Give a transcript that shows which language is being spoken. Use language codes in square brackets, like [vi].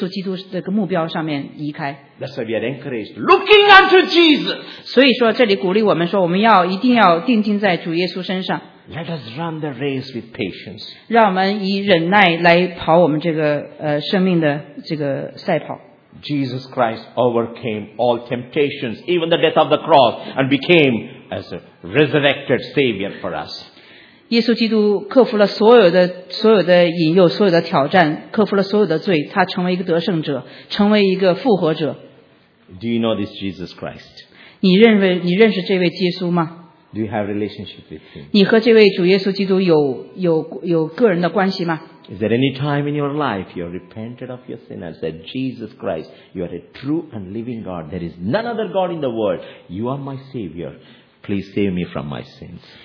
[zh] 这提醒我们说，我们不能把我们的眼目从耶稣基督的目标上面移开。 [en] That's why we are encouraged, looking unto Jesus. [zh] 所以说，这里鼓励我们说，我们要一定要定睛在主耶稣身上。 [en] Let us run the race with patience. [zh] 让我们以忍耐来跑我们这个生命的这个赛跑。 [en] Jesus Christ overcame all temptations, even the death of the cross, and became as a resurrected Savior for us. [zh] 耶稣基督克服了所有的引诱，所有的挑战，克服了所有的罪，他成为一个得胜者，成为一个复活者。 [en] Do you know this Jesus Christ? [zh] 你认识这位耶稣吗？ [en] Do you have a relationship with him? [zh] 你和这位主耶稣基督有个人的关系吗？ [en] Is there any time in your life you have repented of your sin and said, Jesus Christ, you are a true and living God. There is none other God in the world. You are my Savior. Please save me from my sins.